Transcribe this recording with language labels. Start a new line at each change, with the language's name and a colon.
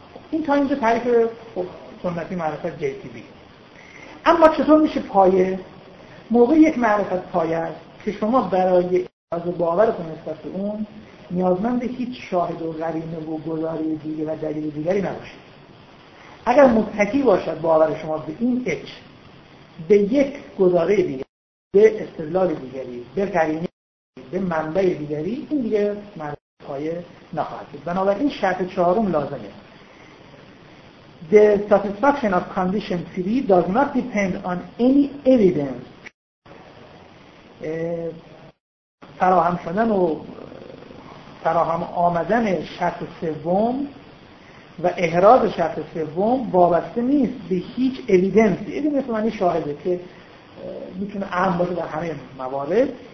Persian: این تا اینجا تعریف خب سنتی معرفت JTB. اما چطور میشه پایه؟ موقع یک معرفت پایه است که شما برای از باورتون نسبت به اون نیازمند هیچ شاهد و قرینه و گزاره دیگه و دلیل دیگری نباشید. اگر متکی باشد باور شما به این H به یک گزاره دیگری، به استدلال دیگری، به قرینه دیگری، به منبع دیگری، این دیگه مرحله‌ای نخواهد بود. بنابراین شرط چهارم لازمه.
English: The satisfaction of condition 3 does not depend on any evidence.
Persian: فراهم شدن و فراهم آمدن شرط سوم و احراز شرط سوم وابسته نیست به هیچ evidence. evidence معنی شاهده که میتونه عام باشه در همه موارد.